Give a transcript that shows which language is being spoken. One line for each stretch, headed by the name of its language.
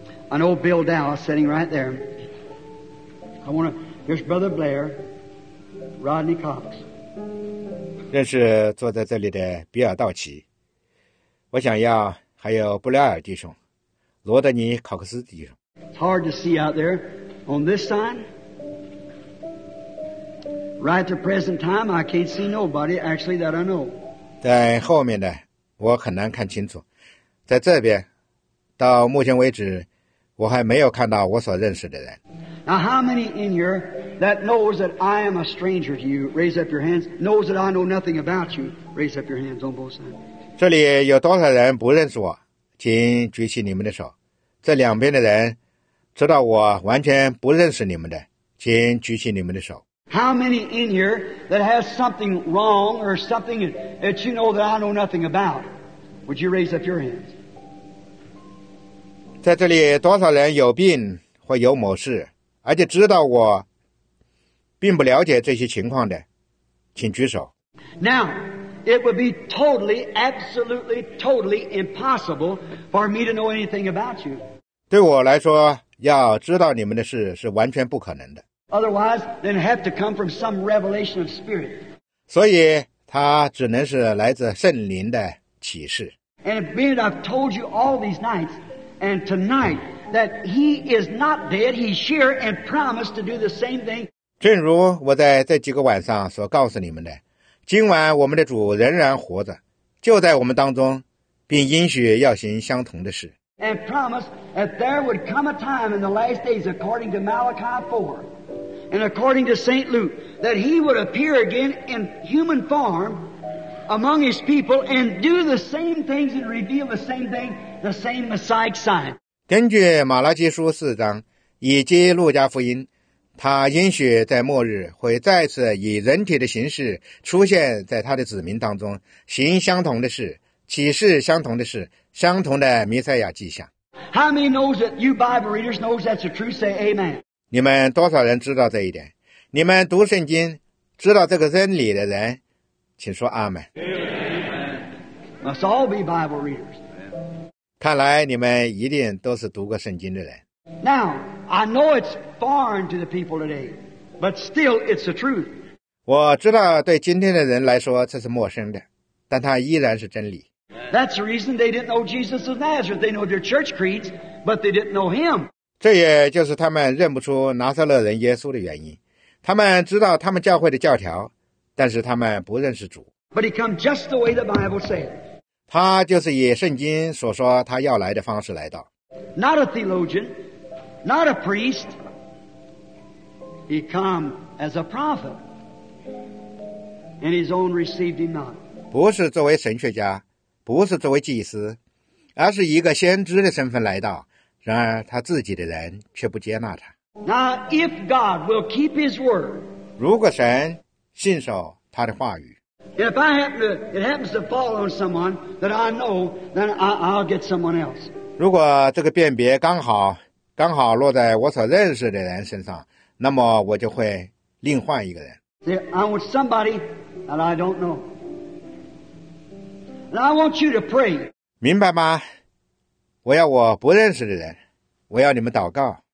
English: I know Bill Dow sitting right there. I want to. Here's Brother Blair, Rodney Cox.
Chinese: 认识坐在这里的比尔道奇。我想要还有布莱尔弟兄，罗德尼考克斯弟兄。
English: It's hard to see out there on this side. Right to present time, I can't see nobody actually that I know.
Chinese: 在后面的我很难看清楚，在这边，到目前为止，我还没有看到我所认识的人。
English: Now, how many in here that knows that I am a stranger to you? Raise up your hands. Knows that I know nothing about you? Raise up your hands on both sides.
Chinese: 这里有多少人不认识我？请举起你们的手。这两边的人知道我完全不认识你们的，请举起你们的手。
English: How many in here that has something wrong or something that you know that I know nothing about? Would you raise up your hands?
Chinese: 在这里多少人有病或有某事，而且知道我并不了解这些情况的，请举手。
English: Now, it would be totally, absolutely, totally impossible for me to know anything about you.
Chinese: 对我来说，要知道你们的事是完全不可能的。
English: Otherwise, then have to come from some revelation of spirit.
Chinese: 所以它只能是来自圣灵的启示。
English: And being that I've told you all these nights and tonight that he is not dead, he's here and promised to do the same thing.
Chinese: 正如我在这几个晚上所告诉你们的，今晚我们的主仍然活着，就在我们当中，并应许要行相同的事。
English: And promised that there would come a time in the last days, according to Malachi 4. And according to St. Luke, that he would appear again in human form among his people and do the same things and reveal the same thing, the same Messiah sign.
Chinese: 根据马拉基书四章，以及路加福音，他应许在末日会再次以人体的形式出现在他的子民当中，行相同的事，启示相同的事，相同的弥赛亚迹象。
English: How many knows that you Bible readers knows that's the truth? Say Amen.
Chinese: 你们多少人知道这一点？你们读圣经知道这个真理的人，请说阿们。
English: Amen. Must all be Bible readers.
Chinese: 看来你们一定都是读过圣经的人。
English: Now I know it's foreign to the people today, but still it's the truth.
Chinese: 我知道对今天的人来说这是陌生的，但它依然是真理。
English: That's the reason they didn't know Jesus of Nazareth. They know their church creeds, but they didn't know him.
Chinese: 这也就是他们认不出拿撒勒人耶稣的原因。他们知道他们教会的教条，但是他们不认识主。
English: But he come just the way the Bible said.
Chinese: 他就是以圣经所说他要来的方式来到。
English: Not a theologian, not a priest. He come as a prophet, and his own received him not.
Chinese: 不是作为神学家，不是作为祭司，而是一个先知的身份来到，然而他自己的人却不接纳他。
English: Now, if God will keep his word,
Chinese: 如果神信守他的话语，
English: if I happen to, it happens to fall on someone that I know, then I'll get someone else.
Chinese: 如果这个辨别刚好落在我所认识的人身上，那么我就会另换一个人。
English: See, I want somebody that I don't know. And I want you to pray.
Chinese: 明白吗？我要我不认识的人，我要你们祷告。